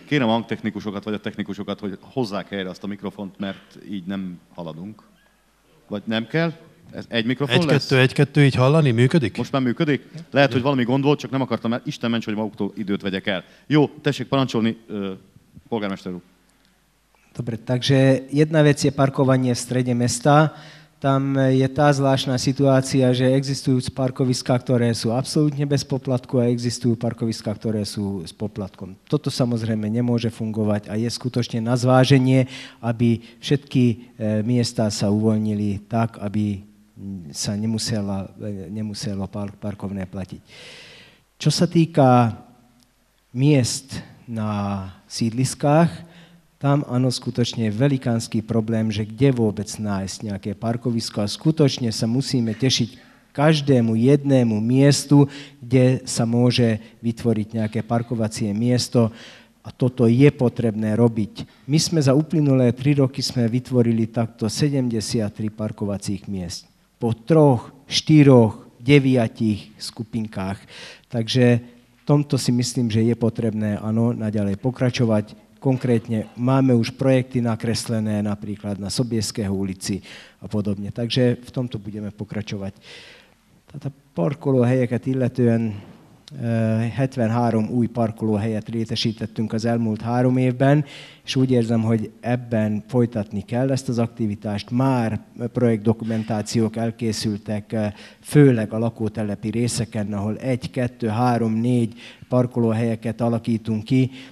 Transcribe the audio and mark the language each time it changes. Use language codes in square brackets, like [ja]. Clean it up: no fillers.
[hu] Kérem a hangtechnikusokat, vagy a technikusokat, hogy hozzák helyre azt a mikrofont, mert így nem haladunk. Vagy nem kell? Ez egy mikrofon egy, lesz? Egy-kettő így hallani, működik? Most már működik? Lehet, hogy valami gond volt, csak nem akartam, mert Isten ments, hogy maguktól időt vegyek el. Jó, tessék parancsolni, polgármester úr. [sk] Dobre, takže jedna vec je parkovanie v strede mesta. Tam je tá zvláštna situácia, že existujú parkoviská, ktoré sú absolútne bez poplatku a existujú parkoviská, ktoré sú s poplatkom. Toto samozrejme nemôže fungovať a je skutočne na zváženie, aby všetky miesta sa uvoľnili tak, aby sa nemuselo parkovné platiť. Čo sa týka miest na sídliskách, tam áno, skutočne je velikánsky problém, že kde vôbec nájsť nejaké parkovisko a skutočne sa musíme tešiť každému jednému miestu, kde sa môže vytvoriť nejaké parkovacie miesto a toto je potrebné robiť. My sme za uplynulé 3 roky sme vytvorili takto 73 parkovacích miest po 3, 4, 9 skupinkách. Takže tomto si myslím, že je potrebné áno, naďalej pokračovať. Konkrétne máme už projekty nakreslené napríklad na Sobieského ulici a podobne. Takže v tomto budeme pokračovať. [hu] Tata parkolóhelyeket illetően 73 új parkolóhelyet létesítettünk az elmúlt 3 évben, és úgy érzem, hogy ebben folytatni kell ezt az aktivitást. Már projektdokumentációk elkészültek, főleg a lakótelepi részeken, ahol 1, 2, 3, 4 parkolóhelyeket alakítunk ki.